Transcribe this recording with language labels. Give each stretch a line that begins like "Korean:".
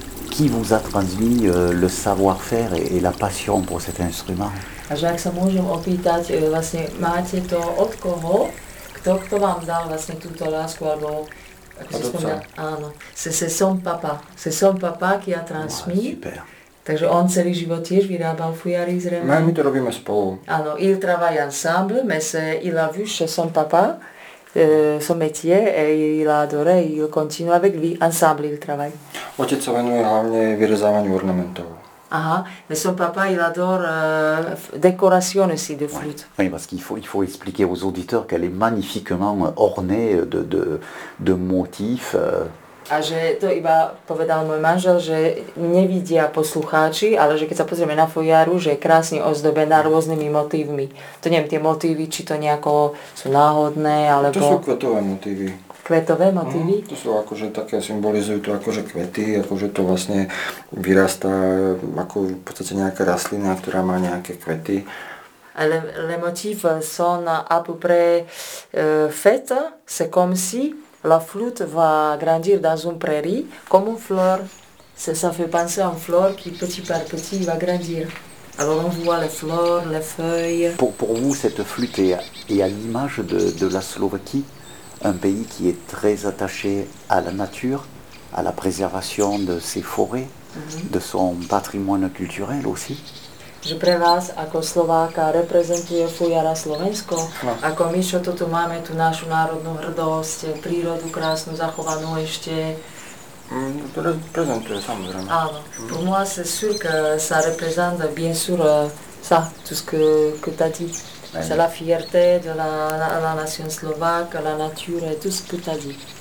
French: qui vous a transmis le savoir-faire et la passion pour cet instrument?
Slovak: A že ak sa môžem opýtať, vlastne máte to od koho? Kto vám dal vlastne túto lásku alebo ako si spomínal? Áno.
French: C'est son papa qui a transmis.
Slovak: Wow, super. Takže on celý život tiež vyrábal fujary zrejme. No, my to robíme spolu. Áno,
French: il travaille ensemble, mais il a vu chez son papa son métier et il a adoré, il continue avec lui ensemble il travaille.
Slovak: Otec sa venuje hlavne vyrezávaniu ornamentov.
French: Aha, mais son papa il adore décoration aussi de flûte. Oui, parce qu'il faut expliquer aux auditeurs qu'elle est magnifiquement ornée de motifs.
Slovak: A že to iba povedal môj manžel, že nevidia poslucháči, ale že keď sa pozrieme na fujaru, že je krásne ozdobená rôznymi motívmi. To neviem, tie motívy, či to nejako sú náhodné, alebo... To sú kvetové motívy. Kvetové motívy? To sú akože také, symbolizujú to akože kvety, akože to vlastne vyrastá ako v podstate nejaká rastlina, ktorá má nejaké kvety.
French: Les motifs sont à peu près faits, c'est comme si... La flûte va grandir dans une prairie, comme une fleur. Ça fait penser à une fleur qui, petit par petit, va grandir. Alors on voit les fleurs, les feuilles. Pour vous, cette flûte est à l'image de la Slovaquie, un pays qui est très attaché à la nature, à la préservation de ses forêts, de son patrimoine culturel aussi.
Slovak: Že pre vás ako Slováka reprezentuje fujara Slovensko, no. Ako my, čo to tu máme, tú našu národnú hrdosť, prírodu krásnu zachovanú ešte. To reprezentuje, samozrejme. Áno.
French: Pour moi, c'est sûr que ça représente, bien sûr, ça, tout ce que t'as dit. C'est la fierté de la nation slovaque, la nature et tout ce que t'as dit.